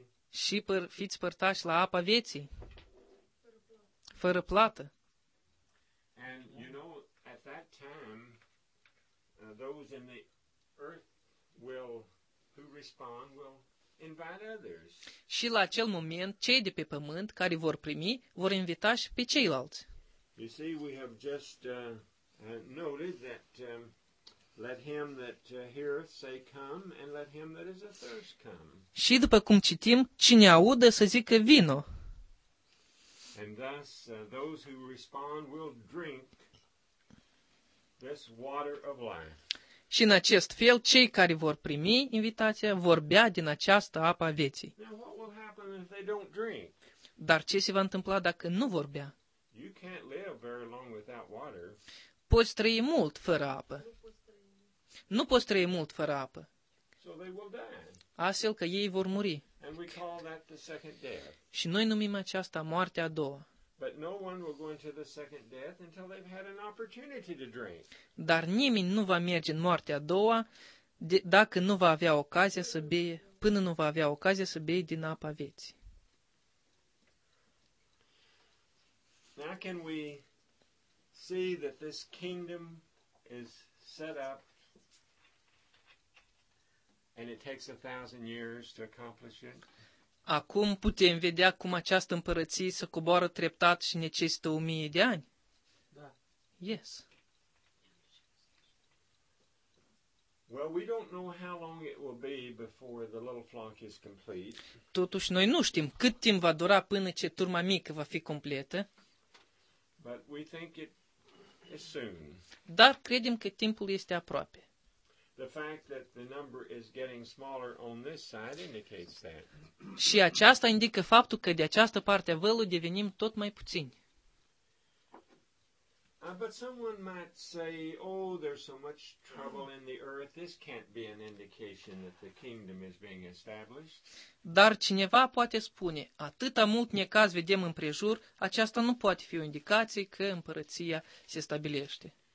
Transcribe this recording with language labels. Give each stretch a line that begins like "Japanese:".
Romanian: Și fiți părtași la apa vieții? Fără plată?
English: And you know, at that time, those in the earth who respond will invite others.
Romanian: Și la acel moment, cei de pe pământ care vor primi, vor invita și pe ceilalți.
English: You see, we have just noted that let him that heareth say come, and let him that is athirst come.
Romanian: Și după cum citim, cine audă să zică vino.
English: And thus those who respond will drink this water of life.
Romanian: Și în acest fel, cei care vor primi invitația vor bea din această apă a vieții.
English: Now, what will happen if they don't drink?
Romanian: Dar ce se va întâmpla dacă nu vor bea?
English: You can't live very long without water.
Romanian: Poți trăi mult fără apă. Nu poți trăi mult fără apă.
English: So they will die.
Romanian: Astfel că ei vor muri.
English: And we call that the second death.
Romanian: Și noi numim aceasta moartea a doua.
English: But no one will go into the second death until they've had an opportunity to drink.
Romanian: Dar nimeni nu va merge în moartea a doua dacă nu va avea ocazia să bea, până nu va avea ocazia să bea din apa vieții.
English: Now can we see that this kingdom is set up and it takes 1,000 years to accomplish it?
Romanian: Acum putem vedea cum această împărăție se coboară treptat și necesită 1,000 de ani? Da.
English: Yes. Well, we don't know how long it will be before the little flock is complete.
Romanian: Totuși noi nu știm cât timp va dura până ce turma mică va fi completă.
English: But we think it is soon.
Romanian: Dar credem că timpul este aproape.
English: The fact that the number is getting smaller on this side indicates that.
Romanian: Și aceasta indică faptul că de această parte a vâlului devenim tot mai puțini.
English: But someone might say, oh, there's so much trouble in the earth, this can't be an indication that the kingdom is being established.
Romanian: Dar cineva poate spune, atâta mult necaz vedem împrejur, aceasta nu poate fi o indicație că împărăția se stabilește.